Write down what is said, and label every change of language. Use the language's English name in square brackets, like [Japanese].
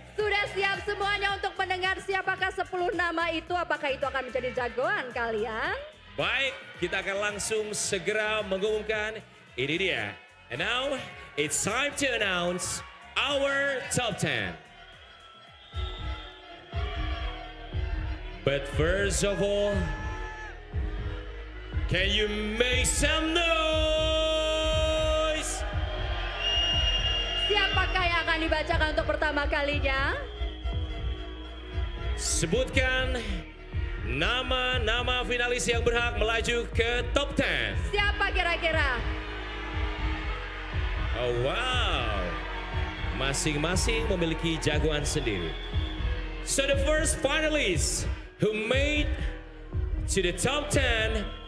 [Indonesian] Sudah siap semuanya untuk mendengar siapakah 10 nama itu, apakah itu akan menjadi jagoan kalian? Baik, kita akan langsung segera mengumumkan, ini dia. [English] And now, it's time to announce our top 10. But first of all, can you make some noise? [Indonesian] Siapakah yang akan dibacakan untuk pertama kalinya? Sebutkan nama-nama finalis yang berhak melaju ke top 10. Siapa kira-kira? Oh wow. Masing-masing memiliki jagoan sendiri. [English] So the first finalist who made to the top 10